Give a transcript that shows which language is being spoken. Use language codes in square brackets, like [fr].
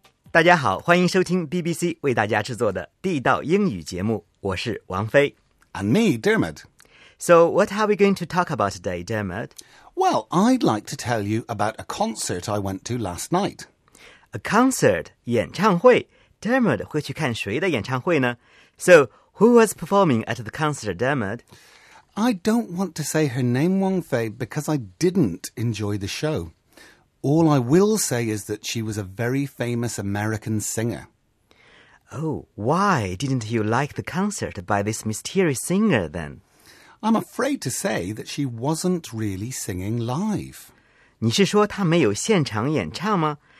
[zh] 大家好，欢迎收听 BBC 为大家制作的地道英语节目，我是王飞。 [en] And me, Dermot. So what are we going to talk about today, Dermot? Well, I'd like to tell you about a concert I went to last night. A concert, [zh] 演唱会。Dermot 会去看谁的演唱会呢? [en] So, who was performing at the concert, Dermot? I don't want to say her name, Wang Fei, because I didn't enjoy the show. All I will say is that she was a very famous American singer. Oh, why didn't you like the concert by this mysterious singer, then? I'm afraid to say that she wasn't really singing live. [zh] 你是说她没有现场演唱吗?